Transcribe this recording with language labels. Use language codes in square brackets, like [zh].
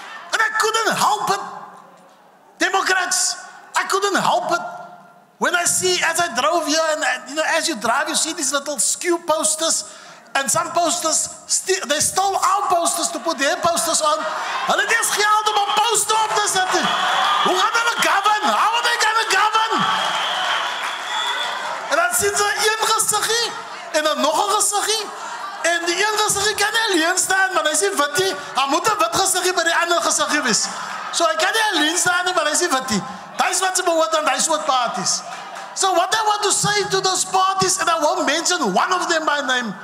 [en] And I couldn't help it, Democrats. I couldn't help it. When I see, as I drove here, and you know, as you drive, you see these little skew posters, and some posters, they stole our posters to put their posters on. [af] Hulle het geld om 'n poster op te sit. Hoe gaan hulle govern? [en] How are they going to govern? [af] En dan sien jy een gesiggie, en dan nog 'n gesiggie, en die een gesiggie kan nie alleen staan, maar hy sê wat jy, hy moet 'n wit gesiggie by die ander gesiggie wees. So hy kan nie alleen staan, maar hy sê wat jy. [en] That's what they want on those parties. So what I want to say to those parties, and I won't mention one of them by name.